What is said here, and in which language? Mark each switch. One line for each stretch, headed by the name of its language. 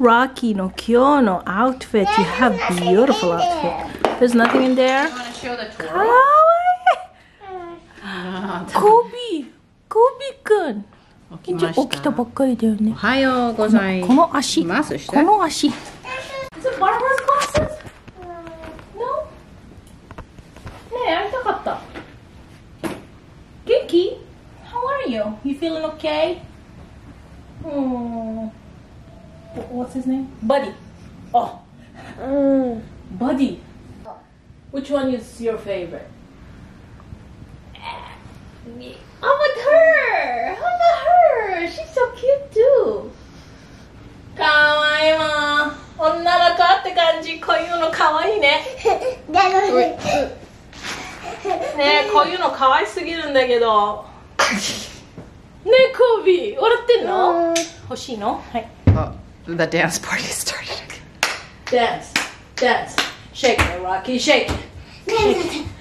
Japanese: Rocky の今日のアウトフィット。
English: You have beautiful outfit. There's nothing in there. You wanna show the
Japanese: twirl? かわいい。コビ。コビくん。起きたばっかりだよね。おはようございます。この足。マスして。この足。
English: Is it Barbara's glasses? Kiki, how are you? You feeling okay? What's his name? Buddy. Oh. Buddy. Which one is your favorite? I'm with her. I'm with her. She's so cute too.
Japanese: かわいいわ。女の子って感じ。こういうのかわいいね。だよね。ねえ、こういうのかわいすぎるんだけど。ねえ、コービー、笑ってんの？欲しいの？はい。
English: Oh, the dance party started again. Dance, dance, shake it, Rocky, shake it.